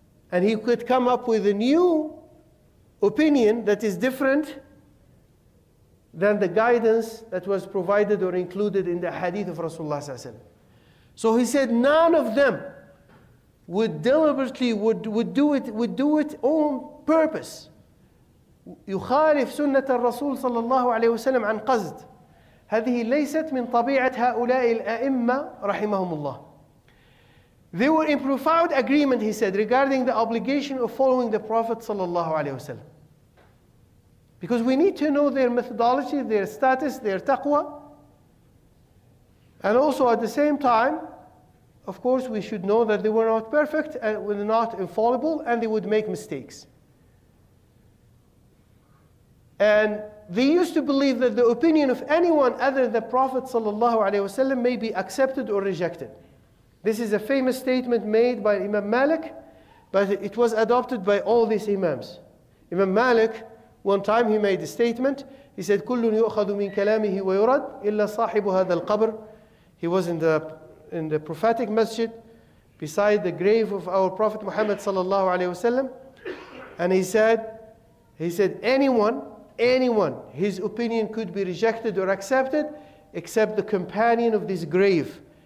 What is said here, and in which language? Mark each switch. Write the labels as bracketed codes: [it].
[en] And he could come up with a new opinion that is different than the guidance that was provided or included in the hadith of Rasulullah sallallahu alaihi wasallam. So he said none of them would do it on purpose. [ar] يخالف سنة الرسول صلى الله عليه وسلم عن قصد. هذه ليست من طبيعة هؤلاء الأئمة رحمهم الله. [en] They were in profound agreement, he said, regarding the obligation of following the Prophet صلى الله عليه وسلم. Because we need to know their methodology, their status, their taqwa. And also at the same time, of course, we should know that they were not perfect, and were not infallible, and they would make mistakes. And they used to believe that the opinion of anyone other than the Prophet ﷺ may be accepted or rejected. This is a famous statement made by Imam Malik, but it was adopted by all these Imams. Imam Malik, one time he made a statement. He said, [ar] كُلٌّ يُؤْخَذُ مِنْ كَلَامِهِ وَيُرَدْ إِلَّا صَاحِبُ هَذَا الْقَبْرِ. [en] He was in the prophetic masjid beside the grave of our Prophet Muhammad sallallahu alayhi wa sallam. And he said, anyone, his opinion could be rejected or accepted except the companion of this grave.